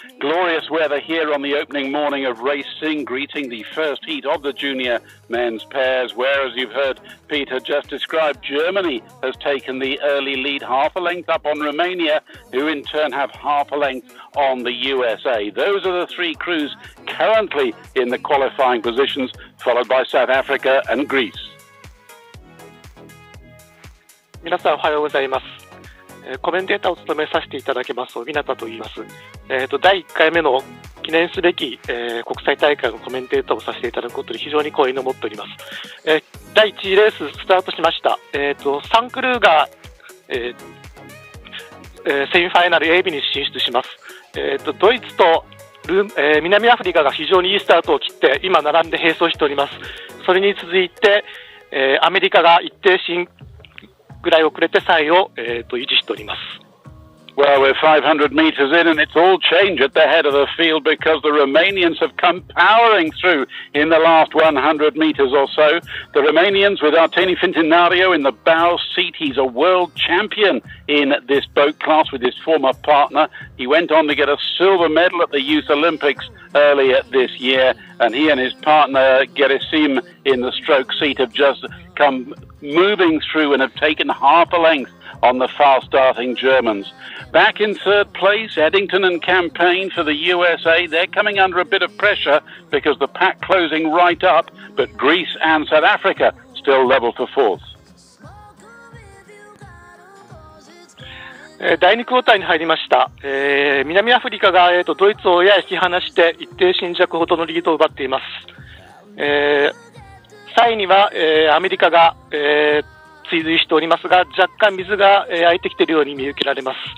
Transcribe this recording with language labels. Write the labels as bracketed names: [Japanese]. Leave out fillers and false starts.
[English] Glorious weather here on the opening morning of racing, greeting the first heat of the junior men's pairs, where, as you've heard Peter just described, Germany has taken the early lead, half a length up on Romania, who in turn have half a length on the USA. Those are the three crews currently in the qualifying positions, followed by South Africa and Greece. [Japanese] 皆さんおはようございます。コメンテーターを務めさせていただきます、小日向と言います。第1回目の記念すべき、国際大会のコメンテーターをさせていただくことに非常に光栄に思っております。第1次レーススタートしました。3クルーが、セミファイナル A 日に進出します。ドイツと南アフリカが非常にいいスタートを切って今並んで並走しております。それに続いて、アメリカが一定進ぐらい遅れて3位を、維持しております。 [English] Well, we're 500 meters in and it's all change at the head of the field because the Romanians have come powering through in the last 100 meters or so. The Romanians with Arteni Fintinario in the bow seat. He's a world champion in this boat class with his former partner. He went on to get a silver medal at the Youth Olympics earlier this year, and he and his partner Gerasim in the stroke seat have just come moving through and have taken half a length on the fast starting Germans. Back in third place, Eddington and Campaign for the USA. They're coming under a bit of pressure because the pack closing right up, but Greece and South Africa still level for fourth. [Japanese] 第2クォーターに入りました。南アフリカがドイツをやや引き離して一定進捗ほどのリードを奪っています。 3位には、アメリカが、追随しておりますが若干水が空いてきているように見受けられます。